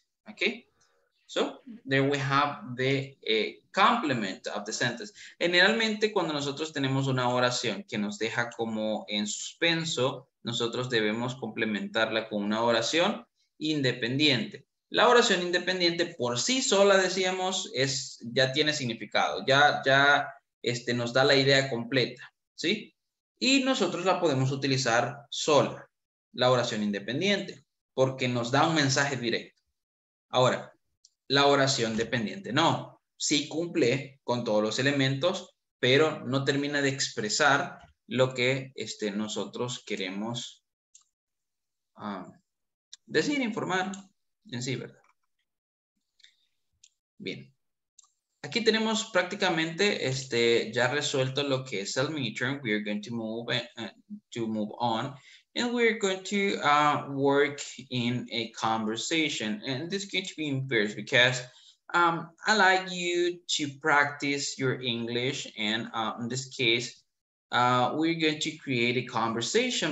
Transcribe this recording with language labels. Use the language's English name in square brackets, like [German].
[English] Okay, so there we have the complement of the sentence. [Spanish] Generalmente, cuando nosotros tenemos una oración que nos deja como en suspenso, nosotros debemos complementarla con una oración independiente. La oración independiente por sí sola, decíamos, ya tiene significado. Ya nos da la idea completa, ¿sí? Y nosotros la podemos utilizar sola, la oración independiente, porque nos da un mensaje directo. Ahora, la oración dependiente no. Sí cumple con todos los elementos, pero no termina de expresar lo que nosotros queremos decir, informar en sí, ¿verdad? Bien. Aquí tenemos prácticamente ya resuelto lo que es el midterm. [English] We are going to move on. And we are going to work in a conversation. And this is going to be in pairs because I like you to practice your English. And in this case, we're going to create a conversation.